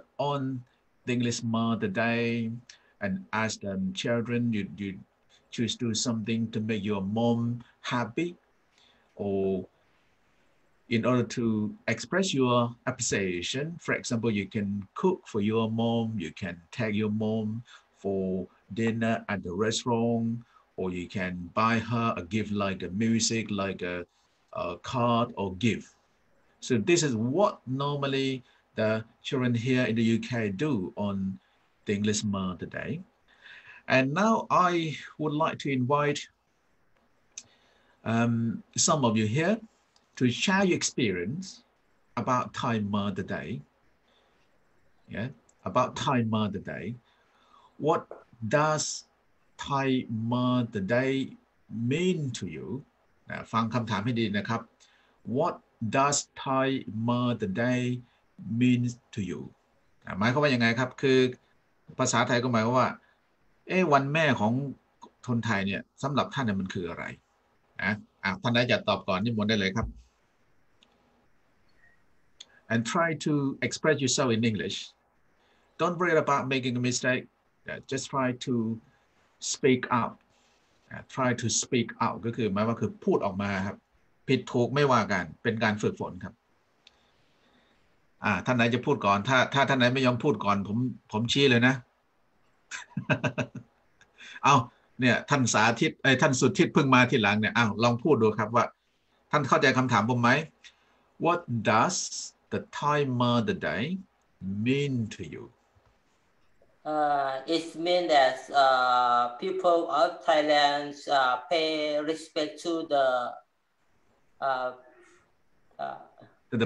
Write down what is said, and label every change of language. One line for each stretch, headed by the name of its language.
English: on the English Mother Day and ask the children you choose to do something to make your mom happy orIn order to express your appreciation, for example, you can cook for your mom, you can take your mom for dinner at the restaurant, or you can buy her a gift like a music, like a card or gift. So this is what normally the children here in the UK do on the English Mother Day. And now I would like to invite some of you here. To share your experience about Thai Mother Day, yeah, about Thai Mother Day, what does Thai Mother Day mean to you?
Thai: ฟังคำถามให้ดีนะครับ
English: What does Thai Mother Day mean to you?
Thai: หมายความว่ายังไงครับคือภาษาไทยก็หมายความว่าวันแม่ของคนไทยเนี่ยสำหรับท่านเนี่ยมันคืออะไรนะท่านได้จัดตอบก่อนนิมนต์ได้เลยครับ
English: And try to express yourself in English. Don't worry about making a mistake. Just try to speak up. Try to speak up.
Thai: ก็คือหมายว่าคือพูดออกมาครับผิดถูกไม่ว่ากันเป็นการฝึกฝนครับท่านไหนจะพูดก่อนถ้าท่านไหนไม่ยอมพูดก่อนผมชี้เลยนะ เอาเนี่ยท่านสาธิตไอ้ท่านสุทิศเพิ่งมาทีหลังเนี่ยลองพูดดูครับว่าท่านเข้าใจคำถามผมไหม
English: What doesThe Thai Mother Day mean to you? It means that people of Thailand pay respect to the